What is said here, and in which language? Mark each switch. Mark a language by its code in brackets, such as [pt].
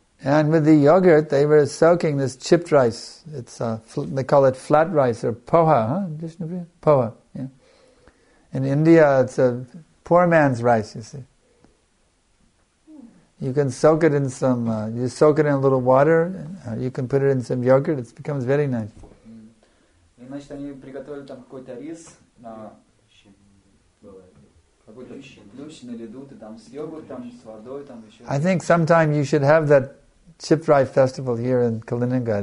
[en] And with the yogurt, they were soaking this chipped rice. It's they call it flat rice or poha, huh? Poha, yeah. In India, it's a poor man's rice, you see. You can soak it in some, you soak it in a little water, you can put it in some yogurt, it becomes very nice. [ru] И, значит, они приготовили там какой-то рис, какой-то плющин или дуты, там с йогуртом, с водой, там еще. [en] I think sometime you should have that chip rice festival here in Kaliningrad.